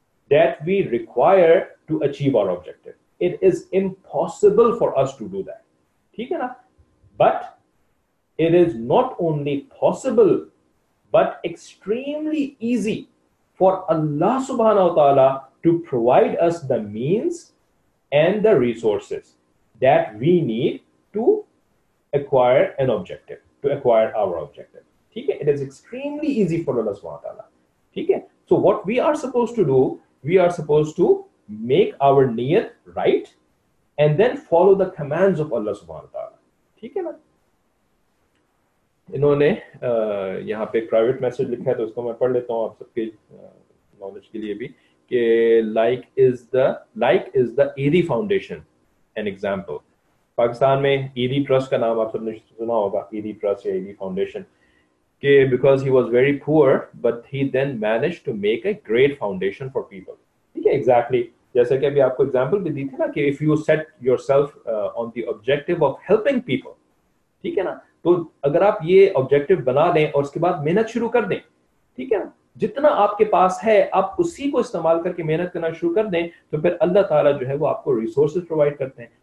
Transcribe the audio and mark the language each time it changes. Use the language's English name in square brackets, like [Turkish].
[English] that we require to achieve our objective, it is impossible for us to do that, [Hindi] theek hai na, [English] but it is not only possible but extremely easy for Allah subhanahu wa ta'ala to provide us the means and the resources that we need to acquire an objective, to acquire our objective, [Hindi] theek hai, [English] it is extremely easy for Allah subhanahu wa ta'ala, theek hai. So what we are supposed to do, we are supposed to make our niyat right and then follow the commands of Allah subhanahu wa ta'ala. [Hindi] ठीक है ना? इन्होंने यहाँ पे private message लिखा है तो उसको मैं पढ़ लेता हूँ आप सबके knowledge के लिए भी, कि [English] like is the EDI foundation an example. [Hindi] Pakistan में EDI trust का नाम आप सबने सुना होगा, EDI trust या EDI foundation. [English] Because he was very poor, but he then managed to make a great foundation for people. Yeah, exactly. [Hindi] जैसे कि अभी आपको example भी दी थी ना कि [English] if you set yourself on the objective of helping people, [Hindi] ठीक है ना? तो अगर आप ये objective बना लें और उसके बाद मेहनत शुरू कर दें, ठीक है ना? जितना आपके पास है, आप उसी को इस्तेमाल करके मेहनत करना शुरू कर दें, तो फिर अल्लाह ताला जो है वो आपको resources provide करते हैं।